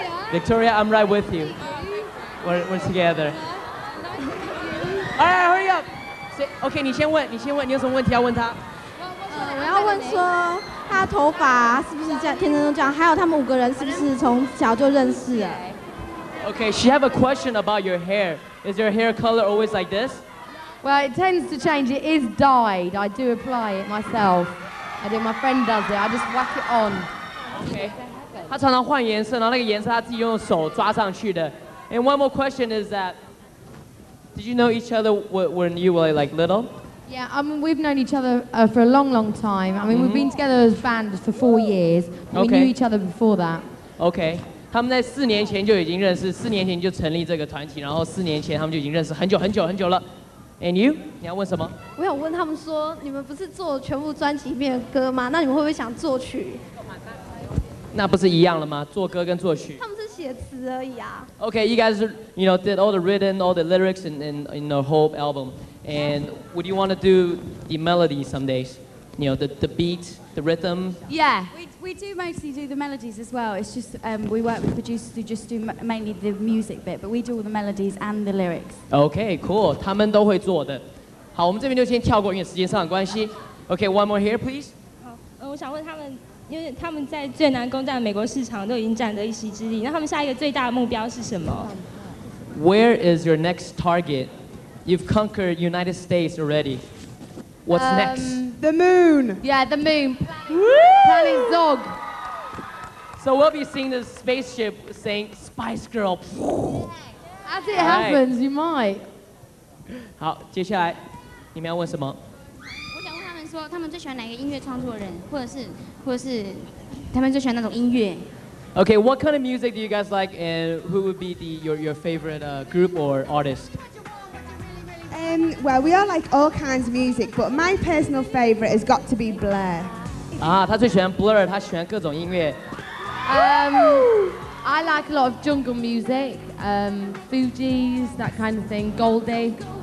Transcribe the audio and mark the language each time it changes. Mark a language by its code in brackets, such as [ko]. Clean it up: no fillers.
[en] Victoria, I'm right with you. We're together. All right, hurry up. Okay, [zh] 你先问，你先问，你有什么问题要问他？我要问说，他的头发是不是这样，天生就这样？还有他们五个人是不是从小就认识的 [en] ？Okay, she have a question about your hair. Is your hair color always like this? Well, it tends to change. It is dyed. I do apply it myself. I do. My friend does it. I just whack it on. Okay. [zh] 他常常换颜色，然后那个颜色他自己用手抓上去的。 [en] And one more question is that, did you know each other when you were like little? Yeah, I mean, we've known each other for a long, long time. I mean,、mm-hmm. we've been together as band for 4 years. We、okay. knew each other before that. Okay. [zh] 他们在四年前就已经认识，四年前就成立这个团体，然后四年前他们就已经认识很久很久很久了。 [en] And you? [zh] 你要问什么？我想问他们说，你们不是做全部专辑里面的歌吗？那你们会不会想作曲？那不是一样了吗？作歌跟作曲。他们是写词而已啊。 [en] Okay, you guys, you know, did all the rhythm, all the lyrics, in the whole album. And would you want to do the melody some days? You know, the beat, the rhythm. Yeah. We do mostly do the melodies as well. It's just we work with producers who just do mainly the music bit, but we do all the melodies and the lyrics. Okay, cool. [zh] 他们都会做的。好，我们这边就先跳过，因为时间上的关系。 [en] Okay, one more here, please. [zh] 好，我想问他们。因为他们在最难攻占的美国市场都已经占得一席之地，那他们下一个最大的目标是什么 [en] ？Where is your next target? You've conquered United States already. What's next? The moon. Yeah, the moon. Planet Zog. So we'll be seeing the spaceship saying "Spice Girl." As it happens, you might. [zh] 好，接下来你们要问什么？说他们最喜欢哪个音乐创作人，或者是他们最喜欢那种音乐。 [en] Okay, what kind of music do you guys like, and who would be your favorite group or artist? Well, we all like all kinds of music, but my personal favorite has got to be Blur. [zh] 他最喜欢 Blur， 他喜欢各种音乐。 [en] I like a lot of jungle music, Fugees, that kind of thing, Goldie.